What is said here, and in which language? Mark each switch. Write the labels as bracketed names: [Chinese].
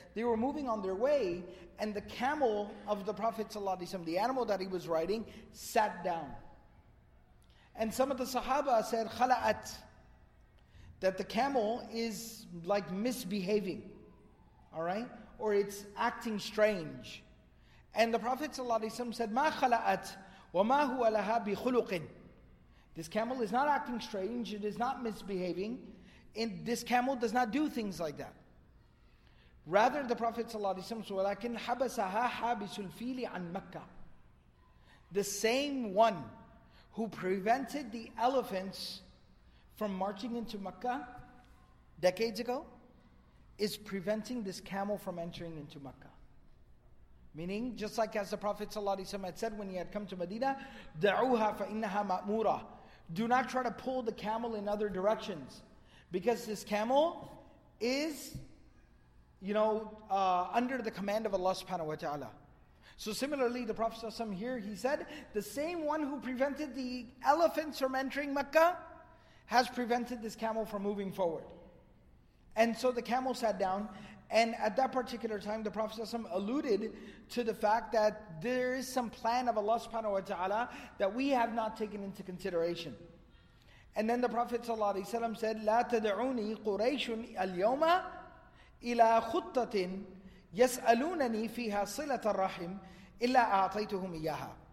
[English] They were moving on their way, and the camel of the Prophet ﷺ, the animal that he was riding, sat down. And some of the Sahaba said, خَلَأَتْ, that the camel is like misbehaving, all right? Or it's acting strange. And the Prophet ﷺ said, [Arabic] مَا خَلَأَتْ وَمَا هُوَ لَهَا بِخُلُقٍ. [English] This camel is not acting strange, it is not misbehaving, and this camel does not do things like that. Rather, the Prophet ﷺ said, [Arabic] وَلَكِنْ حَبَسَهَا حَابِسُ الْفِيلِ عَنْ مَكَّةِ. [English] The same one who prevented the elephants from marching into Mecca decades ago is preventing this camel from entering into Mecca. Meaning, just like as the Prophet ﷺ had said when he had come to Medina, [Arabic] دَعُوهَا فَإِنَّهَا مَأْمُورَةٌ. [English] Do not try to pull the camel in other directions, because this camel is, you know, under the command of Allah subhanahu wa ta'ala. So similarly, the Prophet ﷺ here, he said, the same one who prevented the elephants from entering Mecca has prevented this camel from moving forward. And so the camel sat down. And at that particular time, the Prophet ﷺ alluded to the fact that there is some plan of Allah subhanahu wa ta'ala that we have not taken into consideration. And then the Prophet ﷺ said, [Arabic] لَا تَدْعُونِي قُرَيْشٌ الْيَوْمَ إِلَىٰ خُطَّةٍ يَسْأَلُونَنِي فِيهَا صِلَةَ الرَّحِمِ إِلَّا أَعْطَيْتُهُمْ إِيَّهَا.